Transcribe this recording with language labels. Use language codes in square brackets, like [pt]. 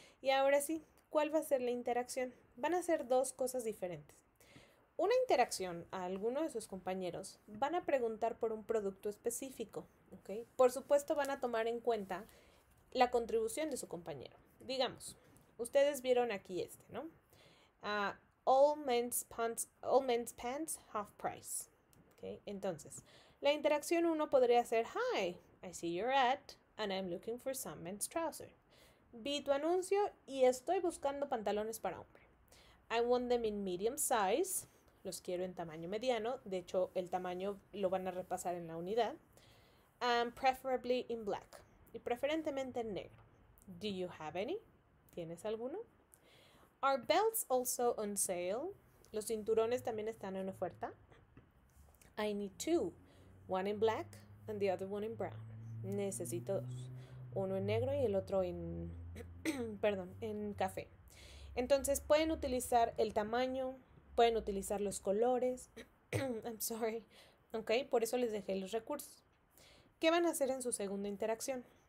[es] Y ahora sí, ¿cuál va a ser la interacción? Van a ser dos cosas diferentes. Una interacción a alguno de sus compañeros van a preguntar por un producto específico. Okay. Por supuesto, van a tomar en cuenta la contribución de su compañero. Digamos, ustedes vieron aquí este, ¿no? [en] All men's pants half price. Okay. [es] Entonces, la interacción uno podría ser, [en] hi, I see your ad and I'm looking for some men's trousers. [es] Vi tu anuncio y estoy buscando pantalones para hombre. [en] I want them in medium size. [es] Los quiero en tamaño mediano. De hecho, el tamaño lo van a repasar en la unidad. [en] And preferably in black. [es] Y preferentemente en negro. [en] Do you have any? [es] ¿Tienes alguno? [en] Are belts also on sale? [es] ¿Los cinturones también están en oferta? [en] I need two. One in black and the other one in brown. [es] Necesito dos. Uno en negro y el otro en, perdón, en café. Entonces pueden utilizar el tamaño, pueden utilizar los colores. [en] I'm sorry. [es] Ok, por eso les dejé los recursos. ¿Qué van a hacer en su segunda interacción?